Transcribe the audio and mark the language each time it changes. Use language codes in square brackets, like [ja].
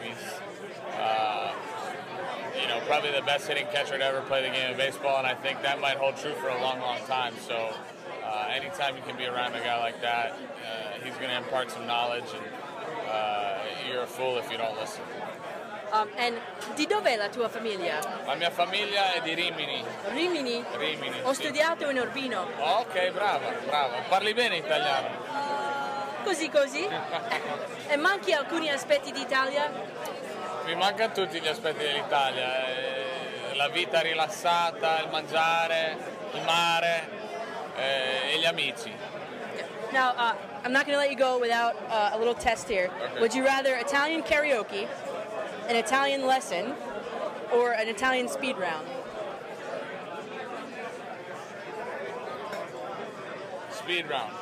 [en] He's, you know, probably the best hitting catcher to ever play the game of baseball, and I think that might hold true for a long, long time. So Anytime you can be around a guy like that, he's going to impart some knowledge, and you're a fool if you don't listen. [it] And di dove è la tua famiglia? La mia famiglia è di Rimini. Rimini? Rimini, ho sì. studiato in Urbino. Oh, ok, brava, brava. Parli bene italiano. Così, così. E manchi alcuni aspetti d'Italia? Mi mancano tutti gli aspetti dell'Italia. La vita rilassata, il mangiare, il mare e gli amici. [en] Now, I'm not going to let you go without a little test here. Okay. Would you rather Italian karaoke, an Italian lesson, or an Italian speed round? Speed round.